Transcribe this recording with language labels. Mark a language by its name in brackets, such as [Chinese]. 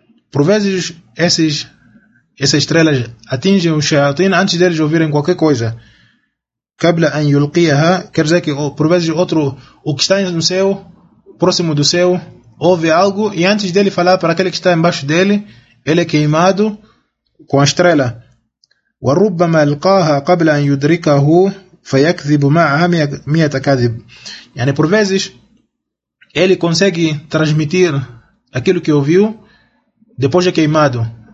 [Portuguese] Por vezes essas estrelas atingem os shayatin antes deles ouvirem qualquer coisa. [Arabic] قبل أن يلقيها, [Portuguese] quer dizer que por vezes outro, o que está no céu, próximo do céu, ouve algo e antes dele falar para aquele que está embaixo dele, ele é queimado com a estrela. [Arabic] وربما القاها قبل أن يدركه فيكذب معها مئة كذب. [Portuguese] Yani por vezes ele consegue transmitir aquilo que ouviu depois é queimado.